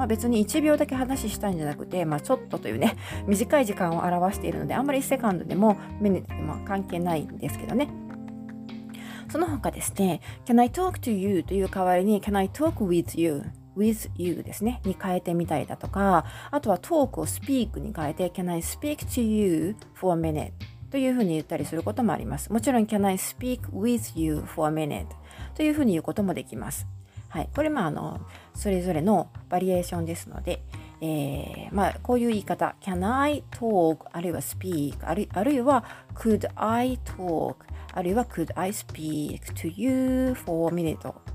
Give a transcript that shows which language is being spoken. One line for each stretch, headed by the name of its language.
Japanese: 別に1秒だけ話したいんじゃなくて、ちょっとというね、短い時間を表しているので、あんまり second でも minute でも関係ないんですけどね。その他ですね、
English: Can I talk to you
Japanese: という代わりに
English: Can I talk with you? With you
Japanese: ですね、に変えてみたりだとか、あとは
English: talk
Japanese: を
English: speak
Japanese: に変えて
English: Can I speak to you for a minute?
Japanese: というふうに言ったりすることもあります。
English: もちろん Can I speak with you for a minute?
Japanese: というふうに言うこともできます。はい、これもそれぞれのバリエーションですので、こういう言い方、
English: Can I talk?
Japanese: あるいは
English: speak? あるいは Could I talk? あるいは Could I speak to you for a minute?